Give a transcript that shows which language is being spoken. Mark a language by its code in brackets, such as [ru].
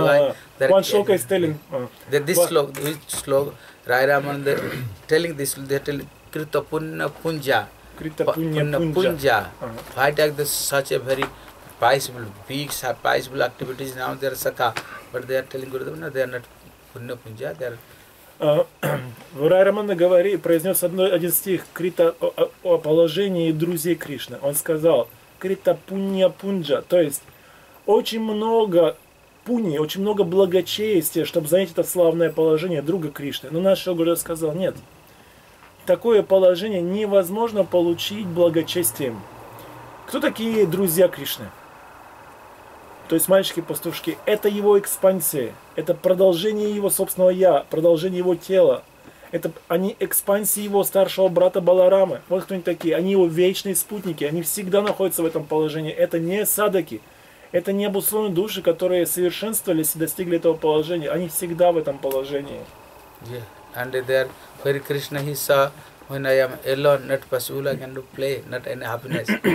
[en] One shloka is telling. Rai Ramananda telling this, they tell Krita Punya Punja. Why take this such a very pious activities, now they are Sakha. But they are telling Gurudev, no, they are not Punya Punja, they are. [ru] Рай Рамананда произнес один стих Крита о положении друзей Кришны. Он сказал: «Крита пунья пунджа», то есть очень много пуни, очень много благочестия, чтобы занять это славное положение друга Кришны. Но наш Шогурда сказал: «Нет, такое положение невозможно получить благочестием». Кто такие друзья Кришны? То есть мальчики-пастушки, это его экспансия, это продолжение его собственного «я», продолжение его тела. Это они экспансии его старшего брата Баларамы. Вот кто они такие. Они его вечные спутники, они всегда находятся в этом положении. Это не садаки, Это не обусловленные души, которые совершенствовались и достигли этого положения. Они всегда в этом положении. [en] Yeah. And there, Hare Krishna, he saw when I am alone, not Pasula can do play, not any happiness.